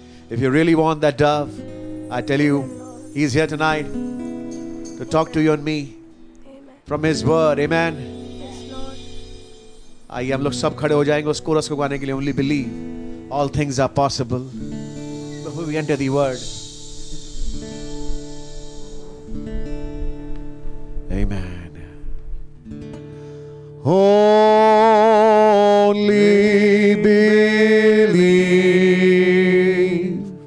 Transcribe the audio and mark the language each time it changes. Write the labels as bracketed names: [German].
[English] If you really want that dove, I tell you, He's here tonight to talk to you and me from His word. Amen. [Hindi] आइए हम लोग सब खड़े हो जाएंगे उस कोरस को गाने के लिए. [English] Only believe, all things are possible. Before we enter the word. Amen. Only believe.